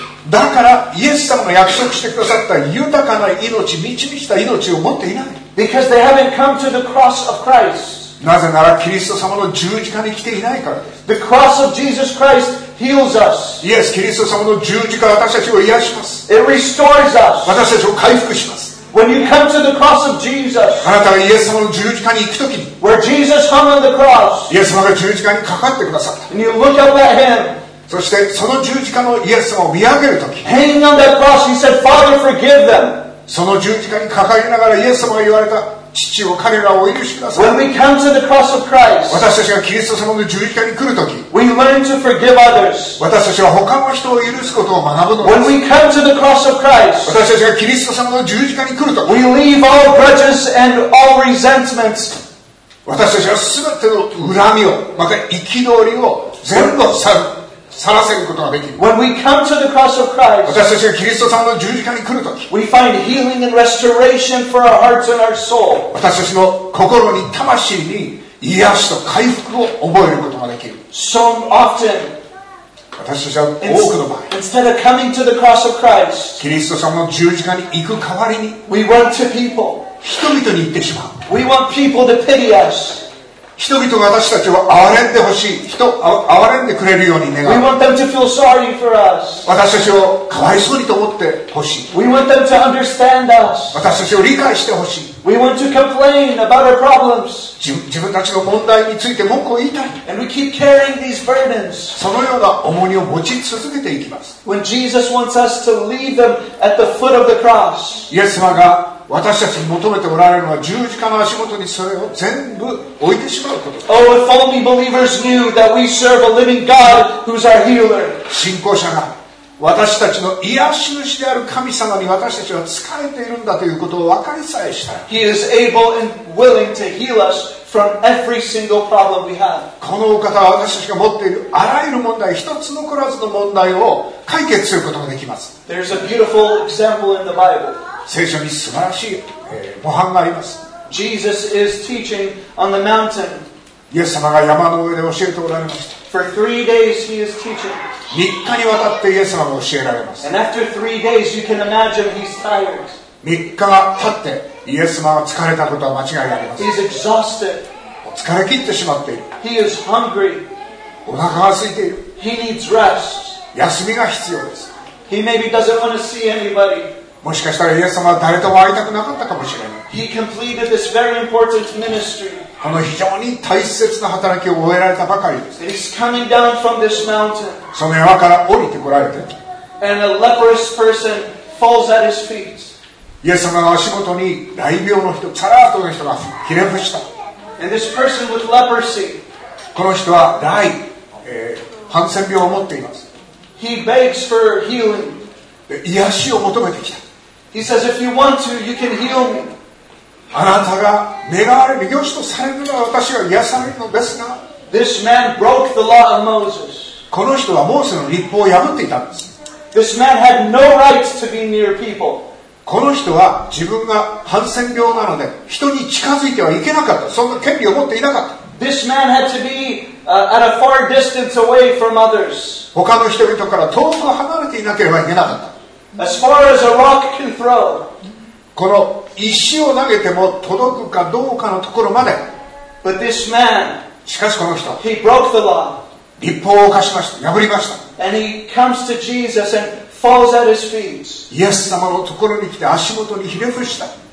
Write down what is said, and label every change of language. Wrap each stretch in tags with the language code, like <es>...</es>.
<ja>だからイエス様が約束してくださった豊かな命、満ち満ちた命を持っていない。</ja> <en>Because they haven't come to the cross of Christ.</en> <ja>なぜならキリスト様の十字架に来ていないから。</ja> <en>The cross of Jesus Christ heals us.</en> <ja>イエス、キリスト様の十字架は私たちを癒します。</ja> <en>It restores us.</en> <ja>私たちを回復します。</ja> <en>When you come to the cross of Jesus,</en> <ja>あなたがイエス様の十字架に行くときに、</ja> <en>where Jesus hung on the cross,</en> <ja>イエス様が十字架にかかってくださった。</ja> <en>And you look up at him.</en> <ja>そしてその十字架のイエス様を見上げるとき、</ja> <en>Hanging on that cross, he said, Father, forgive them.</en> <ja>その十字架に掲げながらイエス様が言われた、父を彼らをお許しください。</ja> <en>When we come to the cross of Christ,</en> <ja>私たちがキリスト様の十字架に来るとき、</ja> <en>We learn to forgive others.</en> <ja>私たちは他の人を許すことを学ぶのです。</ja> <en>When we come to the cross of Christ,</en> <ja>私たちがキリスト様の十字架に来ると</ja> <en>き、 We leave all grudges and all resentments.</en> <ja>私たちは全ての恨みを、また憤りを全部去る。</ja> <en>When we come to the cross of Christ,</en> <ja>私たちがキリスト様の十字架に来るとき、</ja> <en>we find healing and restoration for our hearts and our soul.</en> <ja>私たちの心に、魂に癒しと回復を覚えることができる。</ja> <en>So often,</en> <ja>私たちは多くの場合、</ja> <en>instead of coming to the cross of Christ,</en> <ja>キリスト様の十字架に行く代わりに、</ja> <en>we run to people.</en> <ja>人々に行ってしまう。</ja> <en>We want people to pity us.</en> <ja>人々が私たちを憐れんでほしい、人を憐れんでくれるように願う。</ja> <en>We want them to feel sorry for us.</en> <ja>私たちをかわいそうにと思ってほしい。</ja> <en>We want them to understand us.</en> <ja>私たちを理解してほしい。</ja> <en>We want to complain about our problems.</en> <ja>自分たちの問題について文句を言いたい。</ja> <en>And we keep carrying these burdens.</en> <ja>そのような重荷を持ち続けていきます。</ja> <en>When Jesus wants us to leave them at the foot of the cross.</en> <ja>イエス様が私たちに求めておられるのは、十字架の足元にそれを全部置いてしまうこと。</ja> <en>Oh, if only believers knew that we serve a living God who's our healer.</en> <ja>信仰者が私たちの癒し主である神様に私たちは仕えているんだということを分かりさえしたら、</ja> <en>He is able and willing to heal us from every single problem we have.</en> <ja>このお方は私たちが持っているあらゆる問題、一つ残らずの問題を解決することができます。</ja> <en>There's a beautiful example in the Bible.</en> <ja>聖書に素晴らしい、模範があります。</ja> <en>Jesus is teaching on the mountain.</en> <ja>イエス様が山の上で教えておられました。</ja> <en>For three days he is teaching.</en> <ja>3日にわたってイエス様が教えられます。</ja> <en>And after three days you can imagine he's tired.</en> <ja>3日が経ってイエス様は疲れたことは間違いありません。</ja> <en>He's exhausted.</en> <ja>疲れ切ってしまっている。</ja> <en>He is hungry.</en> <ja>お腹が空いている。</ja> <en>He needs rest.</en> <ja>休みが必要です。</ja> <en>He maybe doesn't want to see anybody.</en> <ja>もしかしたらイエス様は誰とも会いたくなかったかもしれない。</ja> <en>He completed this very important ministry.</en> <ja>この非常に大切な働きを終えられたばかりです。</ja> <en>He's coming down from this mountain.</en> <ja>その山から降りてこられて。</ja> <en>And a leprous person falls at his feet.</en> <ja>イエス様の足元に雷病の人、チャラートの人がひれ伏した。</ja> <en>And this person with leprosy.</en> <ja>この人は雷、ハンセン病を持っています。</ja> <en>He begs for healing.</en> <ja>癒しを求めてきた。</ja> <en>He says, if you want to, you can heal me.</en> <ja>あなたが願われる、良しとされるのは私が癒されるのですが。</ja> <en>This man broke the law of Moses.</en> <ja>この人はモーセの律法を破っていたんです。</ja> <en>This man had no right to be near people.</en> <ja>この人は自分がハンセン病なので人に近づいてはいけなかった。そんな権利を持っていなかった。</ja> <en>This man had to be at a far distance away from others.</en> <ja>他の人々から遠く離れていなければいけなかった。</ja> <en>As far as a rock can throw.</en> <ja>この石を投げても届くかどうかのところまで。</ja> <en>But this man,</en> <ja>しかしこの人、</ja> <en>he broke the law.</en> <ja>律法を犯しました。破りました。</ja> <en>And he comes to Jesus and falls at his feet.</en> <ja>イエス様のところに来て足元にひれ伏した。</ja>